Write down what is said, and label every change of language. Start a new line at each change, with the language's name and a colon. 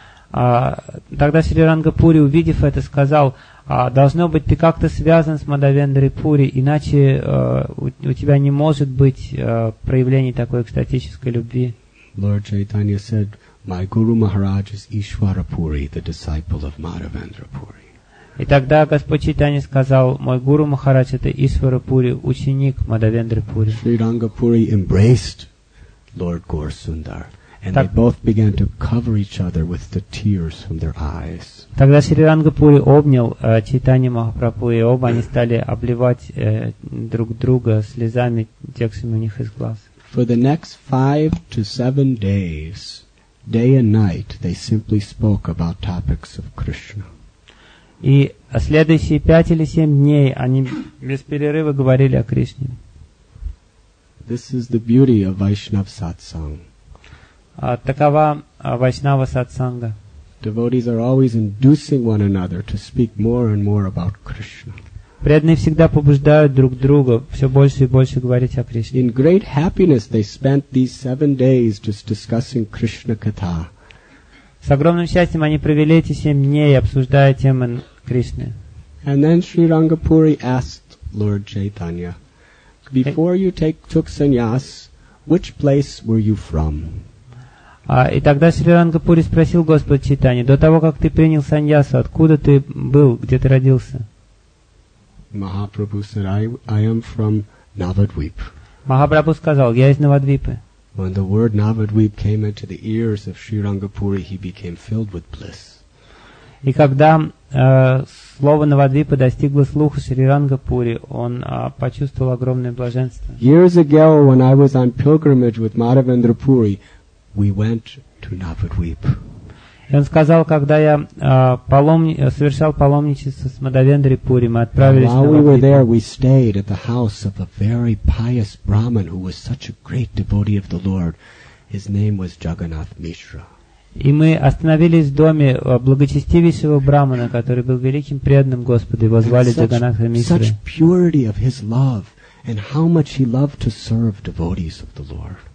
Russian: Тогда Шри Рангапури, увидев это, сказал, должно быть, ты как-то связан с Мадхавендрой Пури, иначе у тебя не может быть проявлений такой экстатической любви.
English: Lord Chaitanya said, "My Guru Maharaj is Ishwara Puri, the disciple of Madhavendra Puri."
Russian: И тогда Господь Чайтанья сказал, мой Гуру Махарадж это Ишвара Пури, ученик Мадхавендры Пури.
English: Шри Рангапури embraced Lord Gaur Sundar. And they both began to cover each other with the tears from their eyes.
Russian: Тогда Шри Рангапури обнял Чайтанья Махапрабху, и оба они стали обливать друг друга слезами, текшими у них из глаз.
English: For the next 5 to 7 days, day and night, they simply spoke about topics of Krishna.
Russian: И следующие 5 или 7 дней они без перерыва говорили о Кришне.
English: This is the beauty of Vaishnava satsang.
Russian: Такова Вайшнава сатсанга.
English: Devotees are always inducing one another to speak more and more about Krishna.
Russian: Преданные всегда побуждают друг друга все больше и больше говорить о Кришне.
English: In great happiness, they spent these 7 days just discussing Krishna katha.
Russian: С огромным счастьем они провели эти 7 дней, обсуждая темы Кришны.
English: And then Sri Rangapuri asked Lord Chaitanya, "Before you took sannyas, which place were you from?"
Russian: И тогда Шри Рангапури спросил Господа Чайтанью, до того, как ты принял саньясу, откуда ты был, где ты родился?
English: Махапрабху said, I am from Navadvip.
Russian: Махапрабху сказал, я из Навадвипы.
English: When the word Navadvip came into the ears of Sri Rangapuri, he became filled with bliss.
Russian: И когда слово Навадвипа достигло слуха Шри Рангапури, он почувствовал огромное блаженство.
English: Years ago, when I was on pilgrimage with Madhavendra Puri, we went to Navadvip.
Russian: И он сказал, когда я совершал паломничество с Мадхавендрой Пури, мы отправились на Навадвип.
English: While we were there, we stayed at the house of a very pious Brahmin who was such a great devotee of the Lord. His name was Jagannath Mishra.
Russian: И мы остановились в доме благочестивейшего Брахмана, который был великим преданным Господа. Его звали Джаганнат Мишра.
English: Such purity of his love and how much he loved to serve devotees of the Lord.